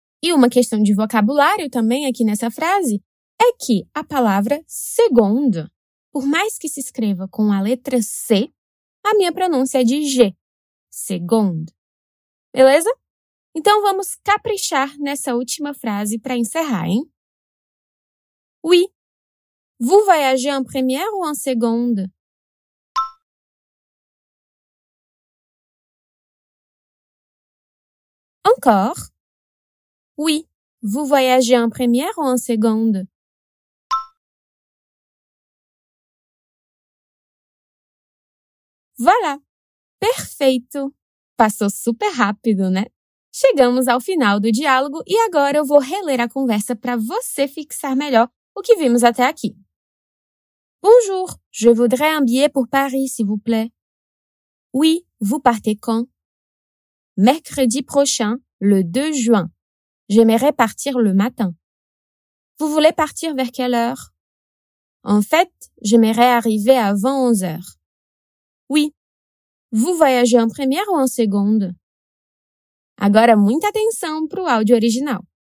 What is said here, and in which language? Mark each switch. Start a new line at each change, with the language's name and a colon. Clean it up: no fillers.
Portuguese: E uma questão de vocabulário também aqui nessa frase é que a palavra segundo, por mais que se escreva com a letra C, a minha pronúncia é de G. Segundo. Beleza? Então vamos caprichar nessa última frase para encerrar, hein?
French: Oui. Vous voyagez en première ou en seconde? Encore. Oui, vous voyagez en première ou en seconde?
Portuguese: Voilà, perfeito! Passou super rápido, né? Chegamos ao final do diálogo e agora eu vou reler a conversa para você fixar melhor o que vimos até aqui.
French: Bonjour, je voudrais un billet pour Paris, s'il vous plaît. Oui, vous partez quand? Mercredi prochain, le 2 juin. J'aimerais partir le matin. Vous voulez partir vers quelle heure? En fait, j'aimerais arriver avant 11 heures. Oui. Vous voyagez en première ou en seconde?
Portuguese: Agora, muita atenção para o áudio original.